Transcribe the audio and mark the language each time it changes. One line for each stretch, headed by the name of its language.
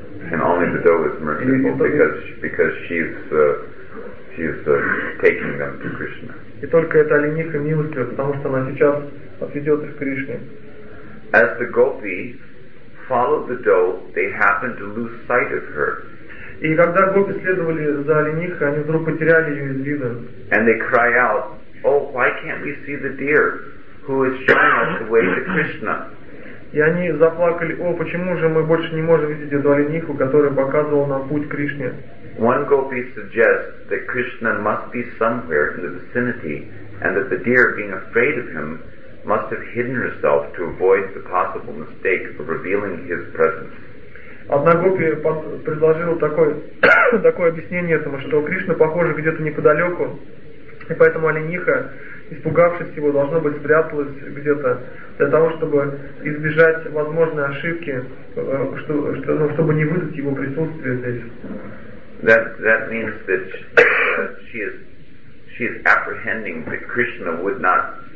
English: And only the doe is merciful because she's taking them to Krishna.
Russian: И только эта олениха милостива, потому что она сейчас отведет их к Кришне.
English: As the gopis followed the doe, they happened to lose sight of her.
Russian: И когда гопи следовали за оленихой, они вдруг потеряли ее из вида.
English: And they cry out, oh, why can't we see the deer who is showing us the way to Krishna?
Russian: И они заплакали, о, почему же мы больше не можем видеть эту олениху, которая показывала нам путь к Кришне?
English: One gopi suggests that Krishna must be somewhere in the vicinity and that the deer, being afraid of him, must have hidden herself to avoid the possible mistake of revealing his presence.
Russian: Одна гопи предложила такое объяснение этому, что Кришна, похоже, где-то неподалеку, и поэтому олениха, испугавшись его, должно быть, спряталась где-то для того, чтобы избежать возможной ошибки, чтобы не выдать его присутствие здесь.
English: That means that she is apprehending that Krishna would not.